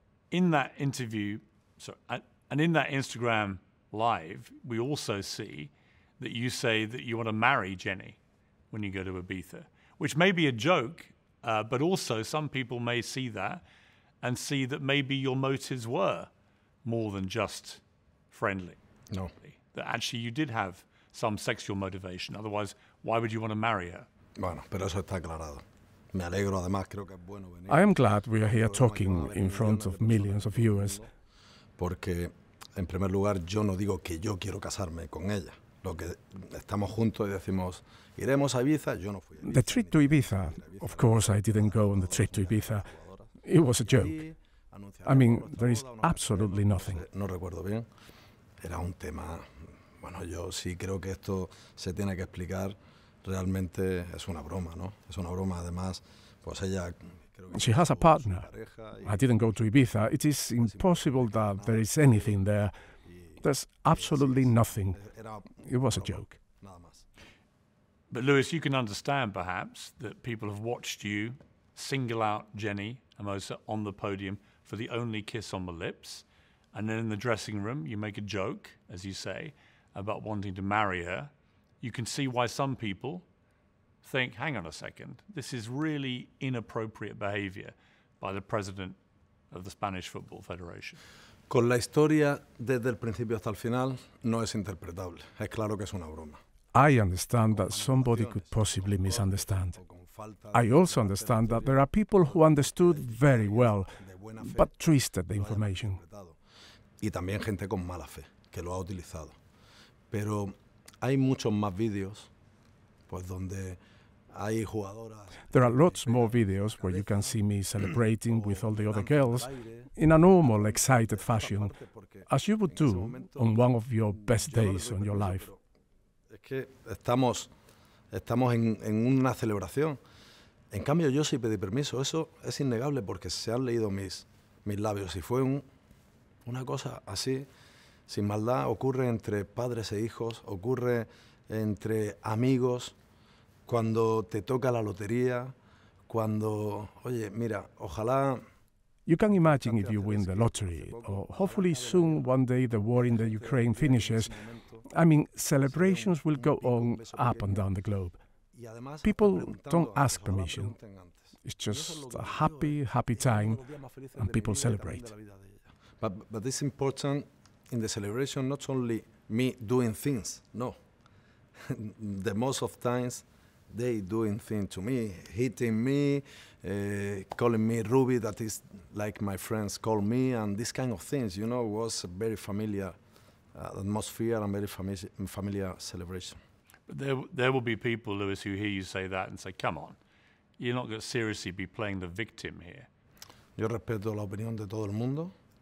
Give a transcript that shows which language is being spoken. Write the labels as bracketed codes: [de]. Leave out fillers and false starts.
[en] in that interview, and in that Instagram live, we also see that you say that you want to marry Jenni when you go to Ibiza, which may be a joke, but also some people may see that and see that maybe your motives were more than just friendly. No. That actually you did have some sexual motivation. Otherwise, why would you want to marry her? [es] Bueno, pero eso está aclarado. Me alegro, además, creo que es bueno venir. [en] I am glad we are here talking in front of millions of viewers. [es] Porque, en primer lugar, yo no digo que yo quiero casarme con ella. Lo que estamos juntos y decimos, iremos a Ibiza, yo no fui a Ibiza. [en] The trip to Ibiza, of course I didn't go on the trip to Ibiza. It was a joke. I mean, there is absolutely nothing. [es] No recuerdo bien. Era un tema... Bueno, yo sí creo que esto se tiene que explicar. Realmente es una broma, ¿no? Es una broma, además, pues ella... [en] She has a partner. I didn't go to Ibiza. It is impossible that there is anything there. There's absolutely nothing. It was a joke. But Luis, you can understand, perhaps, that people have watched you single out Jenni Hermoso on the podium for the only kiss on the lips. And then in the dressing room, you make a joke, as you say, about wanting to marry her. You can see why some people think, hang on a second, this is really inappropriate behavior by the president of the Spanish Football Federation. [es] Con la historia desde el principio hasta el final no es interpretable. Es claro que es una broma. [en] I understand that somebody could possibly misunderstand. I also understand that there are people who understood very well, but twisted the information. [es] Y también gente con mala fe que lo ha utilizado. Pero hay muchos más vídeos, pues donde hay jugadoras. [en] There are lots more videos where you can see me celebrating with all the other girls in a normal, excited fashion, as you would do on one of your best days on your life. [es] Es que estamos en una celebración. En cambio, yo sí pedí permiso. Eso es innegable porque se han leído mis labios. Y fue una cosa así. Sin maldad, ocurre entre padres e hijos, ocurre entre amigos, cuando te toca la lotería, cuando, oye, mira, ojalá... [en] You can imagine if you win the lottery, or hopefully soon one day the war in the Ukraine finishes. I mean, celebrations will go on up and down the globe. People don't ask permission. It's just a happy, happy time, and people celebrate. But it's important... In the celebration, not only me doing things, no. The most of times, they doing things to me, hitting me, calling me Ruby, that is like my friends call me, and this kind of things, you know, was a very familiar atmosphere and very familiar celebration. But there will be people, Luis, who hear you say that and say, come on, you're not gonna seriously be playing the victim here. [es] Yo respeto la opinión de todo el mundo.